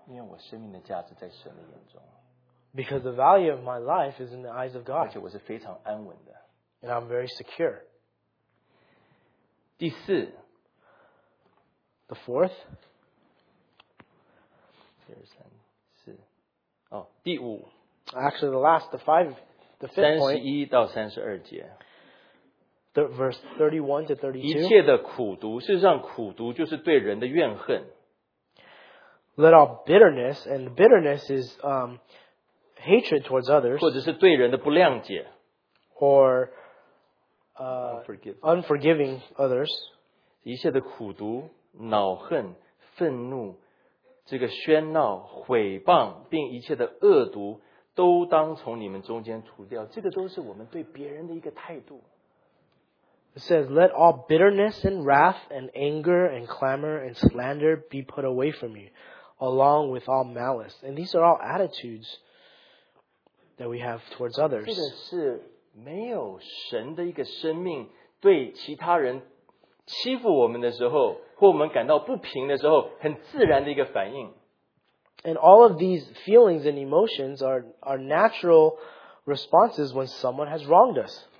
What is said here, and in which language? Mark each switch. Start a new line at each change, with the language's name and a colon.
Chinese: 因为我生命的价值在神的眼中。
English: Because the value of my life is in the eyes of God.
Chinese: 而且我是非常安稳的。
English: And I'm very secure.
Chinese: 第四。
English: The fourth.
Chinese: 3, 4. 哦，第五。
English: Actually, the last, the five, the fifth point.
Chinese: 31-32节。
English: Verse 31-32. Let all bitterness, and bitterness is hatred towards others,
Chinese: 或者是对人的不谅解,
English: or unforgiving others.
Chinese: 一切的苦毒、恼恨、愤怒、这个喧闹、毁谤，并一切的恶毒，都当从你们中间除掉。这个都是我们对别人的一个态度。
English: It says, let all bitterness and wrath and anger and clamor and slander be put away from you, along with all malice. And these are all attitudes that we have towards others.
Chinese: 这个是没有神的一个生命，对其他人欺负我们的时候，或我们感到不平的时候，很自然的一个反应。
English: And all of these feelings and emotions are natural responses when someone has wronged us.